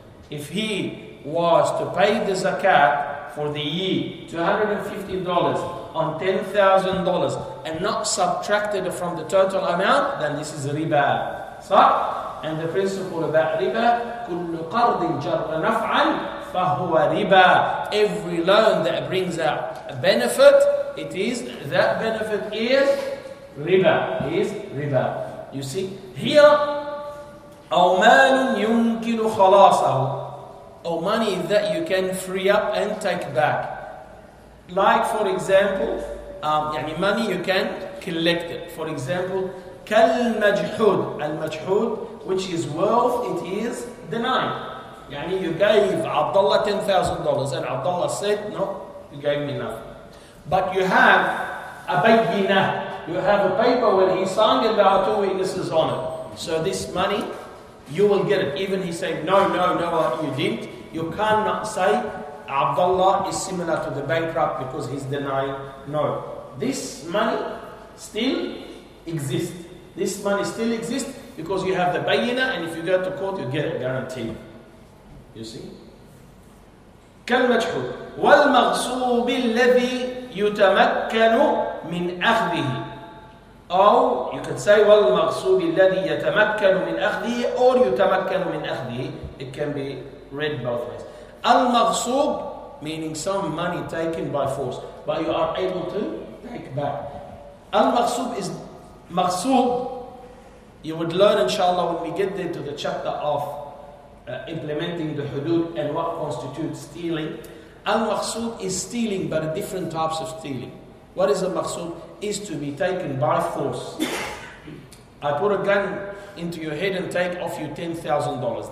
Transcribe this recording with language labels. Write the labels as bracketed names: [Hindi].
[English] If he was to pay the zakat for the year, $250 on $10,000 and not subtracted from the total amount, then this is riba. So, and the principle about riba, [Arabic] كُلُّ قَرْضٍ جَرَّ نَفْعًا فَهُوَ [English] riba. Every loan that brings out a benefit, it is, that benefit is riba. Is riba. You see, here, [Arabic] أَوْ مَالٌ يُمْكِنُ خَلَاصَهُ. [English] Or money that you can free up and take back. Like for example, يعني money you can collect it. For example, كالمجحود. المجحود, which is wealth, it is denied. يعني you gave Abdullah $10,000 and Abdullah said, no, you gave me nothing. But you have a bayina. You have a paper where he signed it, there are two witnesses on it. So this money, you will get it. Even he said, no, you didn't. You cannot say Abdullah is similar to the bankrupt because he's denying. No. This money still exist. This money still exists because you have the bayina, and if you go to court, you get it guaranteed. You see? [Arabic] كالمجحول والمغصوب الذي يتمكن من أخذه. [English] Or you can say [Arabic] والمغصوب الذي يتمكن من أخذه [English] or [Arabic] يتمكن من أخذه. [English] It can be read both ways. المغصوب meaning some money taken by force, but you are able to take back. [Arabic] المغصوب [English] is [Arabic] مغصوب. [English] You would learn inshallah when we get there to the chapter of implementing the hudud and what constitutes stealing. Al-maqsud is stealing, but different types of stealing. What is a maqsud? Is to be taken by force. I put a gun into your head and take off you $10,000.